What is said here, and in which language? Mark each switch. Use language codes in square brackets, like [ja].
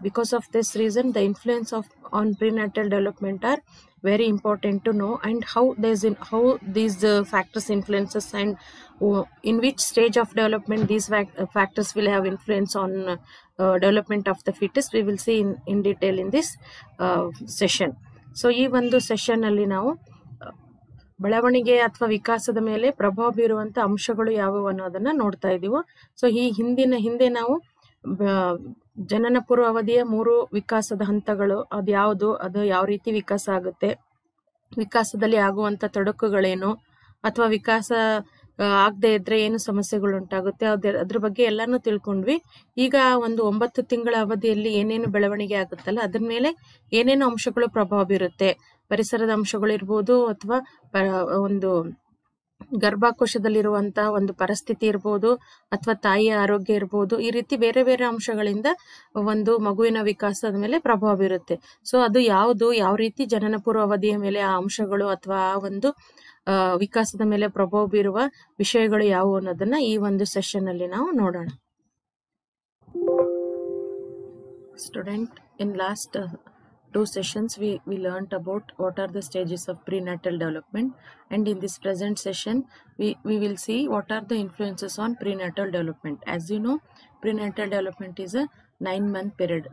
[en] Because of this reason, the influence of on prenatal development are very important to know, and how these factors influences and in which stage of development these factors will have influence on development of the fetus, we will see in detail in this session. [kn] So ee vandu session alli now ಬೆಳವಣಿಗೆ ಅಥವಾ ವಿಕಾಸದ ಮೇಲೆ ಪ್ರಭಾವ ಬೀರುವಂತ ಅಂಶಗಳು ಯಾವುವು ಅನ್ನೋದನ್ನ ನೋಡ್ತಾ ಇದೀವಿ. ಸೊ ಈ ಹಿಂದೆ ನಾವು ಜನನ ಪೂರ್ವ ಅವಧಿಯ 3 ವಿಕಾಸದ ಹಂತಗಳು ಅದು ಯಾವುದು, ಅದು ಯಾವ ರೀತಿ ವಿಕಾಸ ಆಗುತ್ತೆ, ವಿಕಾಸದಲ್ಲಿ ಆಗುವಂತ ತೊಡಕುಗಳೇನು ಅಥವಾ ವಿಕಾಸ ಆಗದೆ ಇದ್ರೆ ಏನು ಸಮಸ್ಯೆಗಳು ಉಂಟಾಗುತ್ತೆ, ಅದ್ರ ಬಗ್ಗೆ ಎಲ್ಲಾನು ತಿಳ್ಕೊಂಡ್ವಿ. ಈಗ ಒಂದು 9 ತಿಂಗಳ ಅವಧಿಯಲ್ಲಿ ಏನೇನು ಬೆಳವಣಿಗೆ ಆಗುತ್ತಲ್ಲ ಅದರ ಮೇಲೆ ಏನೇನು ಅಂಶಗಳು ಪ್ರಭಾವ ಬೀರುತ್ತೆ, ಪರಿಸರದ ಅಂಶಗಳು ಇರ್ಬೋದು ಅಥವಾ ಒಂದು ಗರ್ಭಕೋಶದಲ್ಲಿರುವಂತಹ ಒಂದು ಪರಿಸ್ಥಿತಿ ಇರ್ಬೋದು ಅಥವಾ ತಾಯಿಯ ಆರೋಗ್ಯ ಇರ್ಬೋದು, ಈ ರೀತಿ ಬೇರೆ ಬೇರೆ ಅಂಶಗಳಿಂದ ಒಂದು ಮಗುವಿನ ವಿಕಾಸದ ಮೇಲೆ ಪ್ರಭಾವ ಬೀರುತ್ತೆ. ಸೊ ಅದು ಯಾವುದು, ಯಾವ ರೀತಿ ಜನನ ಪೂರ್ವ ಅವಧಿಯ ಮೇಲೆ ಆ ಅಂಶಗಳು ಅಥವಾ ಆ ಒಂದು ವಿಕಾಸದ ಮೇಲೆ ಪ್ರಭಾವ ಬೀರುವ ವಿಷಯಗಳು ಯಾವುವು ಅನ್ನೋದನ್ನ ಈ ಒಂದು ಸೆಷನ್ ಅಲ್ಲಿ ನಾವು ನೋಡೋಣ. [en] Student, in last two sessions we learnt about what are the stages of prenatal development, and in this present session we will see what are the influences on prenatal development. As you know, prenatal development is a 9-month period.